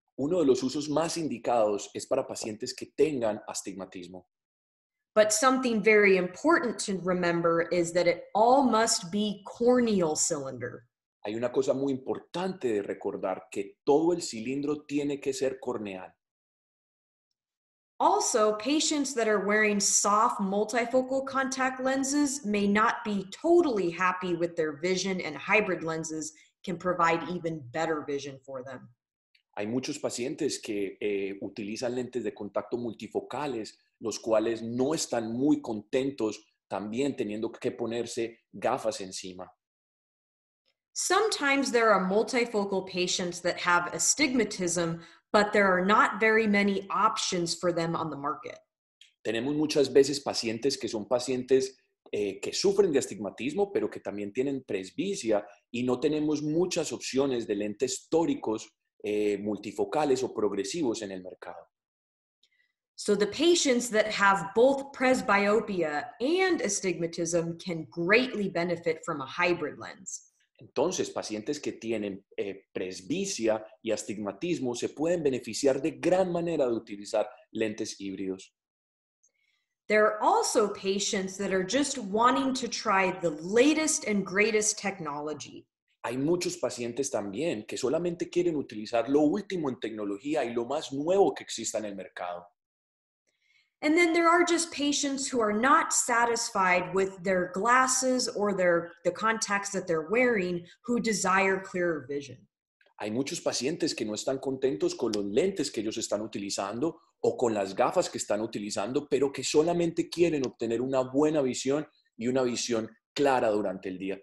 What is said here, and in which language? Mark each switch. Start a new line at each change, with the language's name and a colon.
Spanish: Uno de los usos más indicados es para pacientes que tengan astigmatismo.
English: But something very important to remember is that it all must be corneal cylinder.
Spanish: Hay una cosa muy importante de recordar, que todo el cilindro tiene que ser corneal.
English: Also, patients that are wearing soft multifocal contact lenses may not be totally happy with their vision, and hybrid lenses can provide even better vision for them.
Spanish: Hay muchos pacientes que utilizan lentes de contacto multifocales, los cuales no están muy contentos también teniendo que ponerse gafas encima.
English: Sometimes there are multifocal patients that have astigmatism, but there are not very many options for them on the market.
Spanish: Tenemos muchas veces pacientes que son pacientes que sufren de astigmatismo, pero que también tienen presbicia, y no tenemos muchas opciones de lentes tóricos multifocales o progresivos en el mercado.
English: So the patients that have both presbyopia and astigmatism can greatly benefit from a hybrid lens.
Spanish: Entonces, pacientes que tienen presbicia y astigmatismo se pueden beneficiar de gran manera de utilizar lentes híbridos.
English: There are also patients that are just wanting to try the latest and greatest technology.
Spanish: Hay muchos pacientes también que solamente quieren utilizar lo último en tecnología y lo más nuevo que exista en el mercado.
English: And then there are just patients who are not satisfied with their glasses or the contacts that they're wearing who desire clearer vision.
Spanish: Hay muchos pacientes que no están contentos con los lentes que ellos están utilizando o con las gafas que están utilizando, pero que solamente quieren obtener una buena visión y una visión clara durante el día.